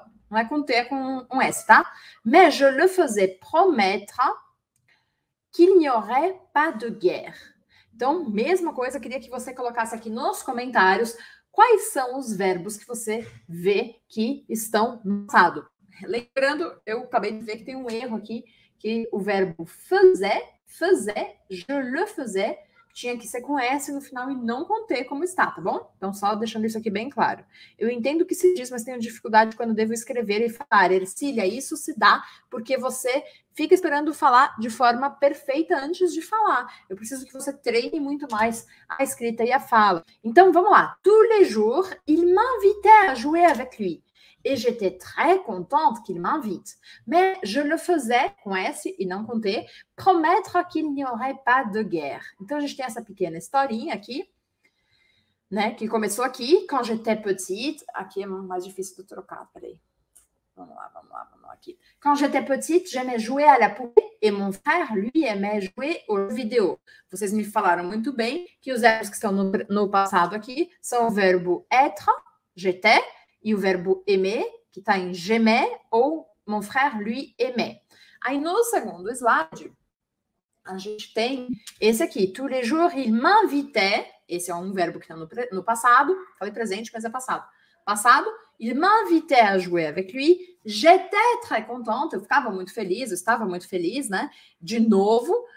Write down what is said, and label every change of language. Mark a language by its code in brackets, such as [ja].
[pt] Não é com T, é com um S, tá? [fr] Mais je le faisais promettre qu'il n'y aurait pas de guerre. [pt] Então, mesma coisa, queria que você colocasse aqui nos comentários quais são os verbos que você vê que estão no passado. Lembrando, eu acabei de ver que tem um erro aqui, que o verbo faisait, je le faisais, tinha que ser com S no final e não com T como está, tá bom? Então, só deixando isso aqui bem claro. Eu entendo o que se diz, mas tenho dificuldade quando devo escrever e falar. Ercília, isso se dá porque você fica esperando falar de forma perfeita antes de falar. Eu preciso que você treine muito mais a escrita e a fala. Então, vamos lá. [fr] Tous les jours, il m'invitait à jouer avec lui. Et j'étais très contente qu'il m'invite. Mais je le faisais, [pt] com S e não com T, [fr] promettre qu'il n'y aurait pas de guerre. [pt] Então, a gente tem essa pequena historinha aqui, né? Que começou aqui, [fr] quand j'étais petite. [pt] Aqui é mais difícil de trocar, peraí. Vamos lá aqui. [fr] Quand j'étais petite, j'aimais jouer à la poupée et mon frère, lui, aimait jouer aux vidéos. [pt] Vocês me falaram muito bem que os verbos que estão no passado aqui são o verbo être, j'étais, e o verbo aimer, que está em j'aimais, ou [fr] mon frère, lui, aimait. [pt] Aí, no segundo slide, a gente tem esse aqui. [fr] Tous les jours, il m'invitait. [pt] Esse é um verbo que está no passado. Falei presente, mas é passado. Passado. [fr] Il m'invitait à jouer avec lui. J'étais très contente. [pt] Eu ficava muito feliz. Eu estava muito feliz, né? De novo.